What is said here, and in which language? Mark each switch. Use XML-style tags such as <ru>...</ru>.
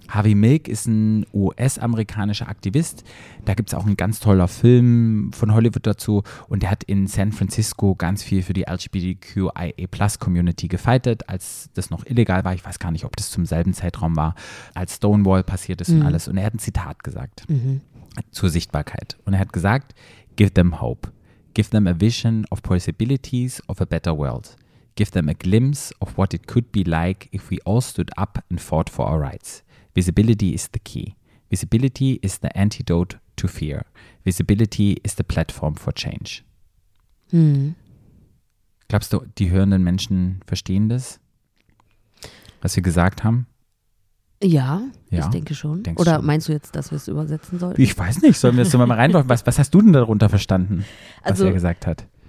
<de>Harvey Milk ist ein US-amerikanischer Aktivist. Da gibt es auch einen ganz tollen Film von Hollywood dazu. Und der hat in San Francisco ganz viel für die LGBTQIA+-Community gefightet, als das noch illegal war. Ich weiß gar nicht, ob das zum selben Zeitraum war, als Stonewall passiert ist und alles. Und er hat ein Zitat gesagt zur Sichtbarkeit. Und er hat gesagt,</de> <en>give them hope. Give them a vision of possibilities of a better world. Give them a glimpse of what it could be like if we all stood up and fought for our rights. Visibility is the key. Visibility is the antidote to fear. Visibility is the platform for change. Hm.</en> <de>Glaubst du, die hörenden Menschen verstehen das, was wir gesagt haben? Ja, ja, ich denke schon. Denkst oder schon. Meinst du jetzt, dass wir es übersetzen sollten? Ich weiß nicht, sollen wir es mal reinwerfen? Was hast du denn darunter verstanden, also, was er gesagt hat?</de>